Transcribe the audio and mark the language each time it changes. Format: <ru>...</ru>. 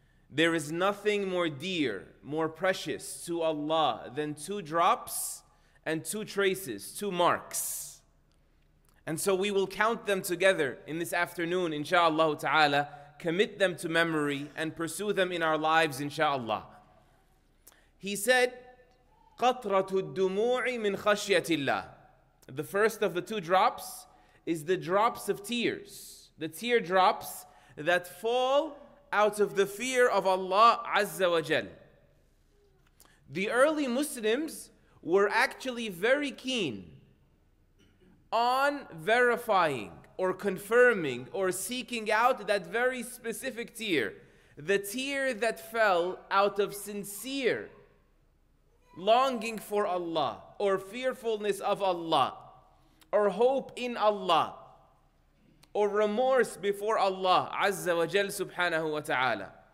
<en>There is nothing more dear, more precious to Allah than two drops and two traces, two marks. And so we will count them together in this afternoon, insha'Allah ta'ala, commit them to memory and pursue them in our lives, insha'Allah. He said,</en> <ar>قَطْرَةُ الدُّمُوعِ مِنْ خَشْيَةِ اللَّهِ.</ar> <en>The first of the two drops is the drops of tears, the tear drops that fall out of the fear of Allah Azza wa Jal. The early Muslims were actually very keen on verifying or confirming or seeking out that very specific tear, the tear that fell out of sincere longing for Allah or fearfulness of Allah or hope in Allah or remorse before Allah Azza wa Jal subhanahu wa ta'ala.</en>